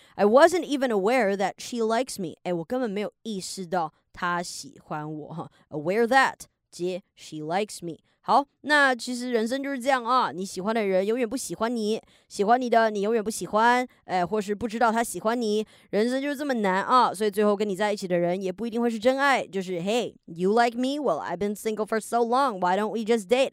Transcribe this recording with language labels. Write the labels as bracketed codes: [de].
[en] I wasn't even aware that she likes me. [zh] 我根本没有意识到她喜欢我。 [en] Aware that 接 she likes me。 [zh] 好，那其实人生就是这样啊，你喜欢的人永远不喜欢你，喜欢你的你永远不喜欢，或是不知道他喜欢你，人生就是这么难啊，所以最后跟你在一起的人也不一定会是真爱，就是 [en] Hey, you like me? Well, I've been single for so long, why don't we just date?